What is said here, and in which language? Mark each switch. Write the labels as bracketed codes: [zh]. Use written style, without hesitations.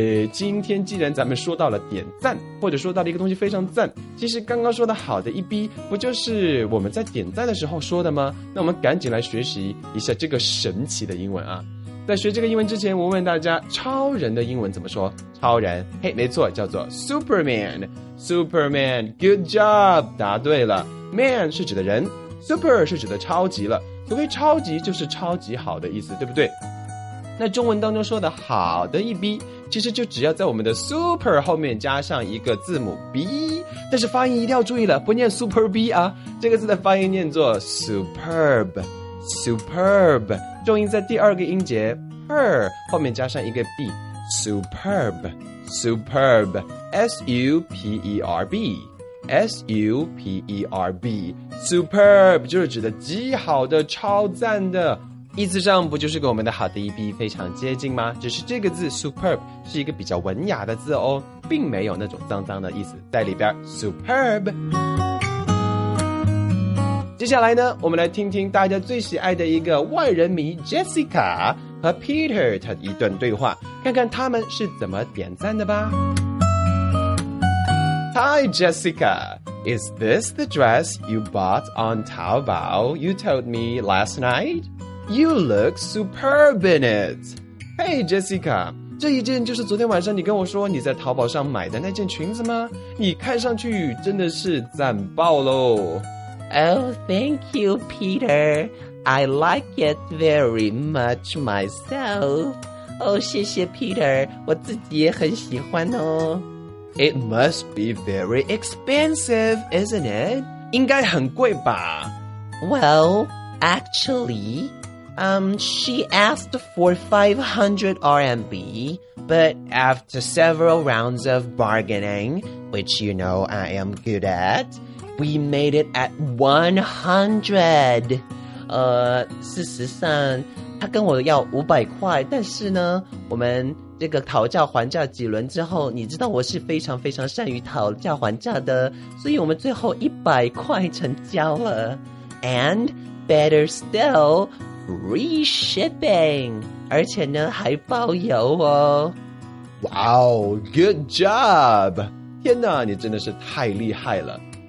[zh] 今天既然咱们说到了点赞，或者说到了一个东西非常赞，其实刚刚说的好的一逼不就是我们在点赞的时候说的吗？那我们赶紧来学习一下这个神奇的英文啊。在学这个英文之前，我问大家超人的英文怎么说。超人，嘿，没错，叫做 Superman。 [en] Superman, good job, [zh] 答对了。 Man 是指的人， Super 是指的超级了，所谓超级就是超级好的意思，对不对？那中文当中说的好的一逼，其实就只要在我们的 Super 后面加上一个字母 B, 但是发音一定要注意了，不念 Super B 啊，这个字的发音念作 Superb, Superb, 重音在第二个音节 per 后面加上一个 B, Superb, Superb, S-U-P-E-R-B, S-U-P-E-R-B, Superb 就是指的极好的，超赞的，意思上不就是跟我们的好的一逼非常接近吗？只是这个字 superb 是一个比较文雅的字哦，并没有那种脏脏的意思在里边。 [en] superb。 [zh] 接下来呢，我们来听听大家最喜爱的一个万人迷 Jessica 和 Peter 他的一段对话，看看他们是怎么点赞的吧。 [en] Hi Jessica, Is this the dress you bought on Taobao you told me last night? You look superb in it. [zh] Hey, Jessica, 这一件就是昨天晚上你跟我说你在淘宝上买的那件裙子吗？你看上去真的是赞爆咯。 [en] Oh, thank you, Peter. I like it very much myself. [zh] Oh, 谢谢 Peter, 我自己也很喜欢哦。 [en] It must be very expensive, isn't it? [zh] 应该很贵吧。 [en] Well, actually... she asked for 500 RMB, but after several rounds of bargaining, which you know I am good at, we made it at 100. [zh] 事实上，他跟我要500块，但是呢，我们这个讨价还价几轮之后，你知道我是非常非常善于讨价还价的，所以我们最后100块成交了。 [en] And better still,free shipping, [zh] 而且呢还包邮哦。 [en] Wow, good job. [zh] 天哪，你真的是太厉害了。